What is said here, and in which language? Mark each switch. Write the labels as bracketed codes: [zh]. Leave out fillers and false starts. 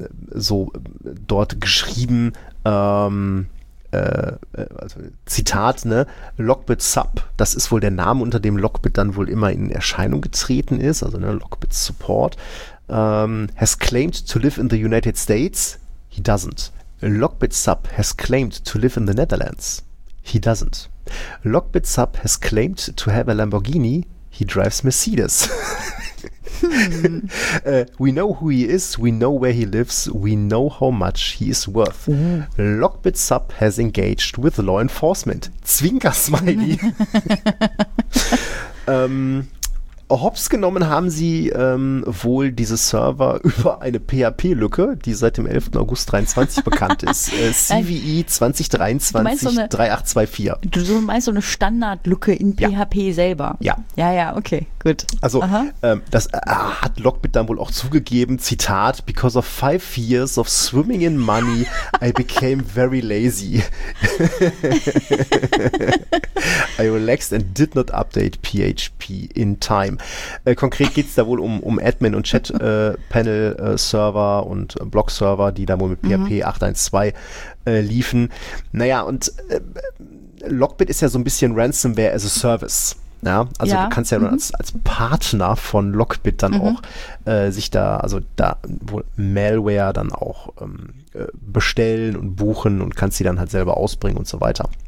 [de] so dort geschrieben, also Zitat, ne, Lockbit Sub, das ist wohl der Name, unter dem Lockbit dann wohl immer in Erscheinung getreten ist, also ne, Lockbit Support, [en] has claimed to live in the United States, he doesn't. Lockbit Sub has claimed to live in the Netherlands, he doesn't. Lockbit Sub has claimed to have a Lamborghini, he drives Mercedes. we know who he is, we know where he lives, we know how much he is worth. Mhm. Lockbit Sub has engaged with law enforcement. [de] Zwinker-Smiley. hops genommen haben sie wohl diese Server über eine PHP-Lücke, die seit dem 11. August 23 bekannt ist. CVE 2023-3824. Du meinst so eine Standardlücke in PHP selber? Ja. Ja, ja, okay, gut. Also, hat Lockbit dann wohl auch zugegeben, Zitat, [en] because of 5 years of swimming in money, I became very lazy. I relaxed and did not update PHP in time. [de] Konkret geht es da wohl um Admin- und Chat-Panel-Server und Blog-Server, die da wohl mit PHP 8.1.2 liefen. Naja, und Lockbit ist ja so ein bisschen Ransomware as a Service. Ja? Also ja. Du kannst ja als Partner von Lockbit dann auch sich da, also da wohl Malware dann auch bestellen und buchen und kannst sie dann halt selber ausbringen und so weiter.